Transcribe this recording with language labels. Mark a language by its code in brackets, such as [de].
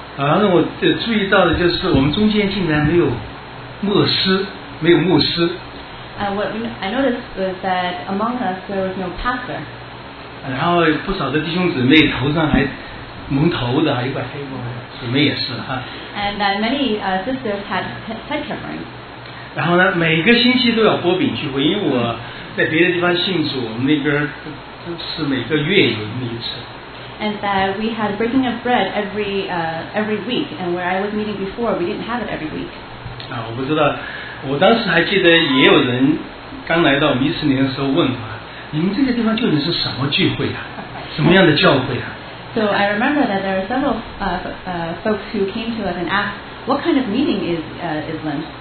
[zh] 然后我注意到的就是我们中间竟然没有牧师，没有牧师。 [en] What I noticed was that among us there was no pastor. [zh] 然后不少的弟兄姊妹头上还蒙头的，还有块黑布，姊妹也是哈。 [en] And that many sisters had head covering. [zh] 然后呢，每个星期都要播饼聚会，因为我在别的地方信主，我们那边。是每个月有那么一次。 [en] And that we had breaking of bread every week, and where I was meeting before, we didn't have it every week. [zh] 我不知道，我当时还记得也有人刚来到弥斯林的时候问啊，你们这个地方究竟是什么聚会啊？什么样的教会啊 [en] ？So I remember that there are several folks who came to us and asked, "What kind of meeting is Island?